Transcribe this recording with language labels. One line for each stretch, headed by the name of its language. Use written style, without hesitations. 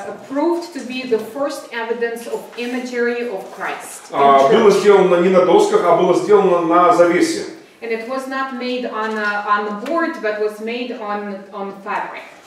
English: Proved to be the first evidence of imagery of Christ.
Russian: Было сделано не на досках, а было сделано на завесе.
English: And it was not made on the board, but was made on fabric.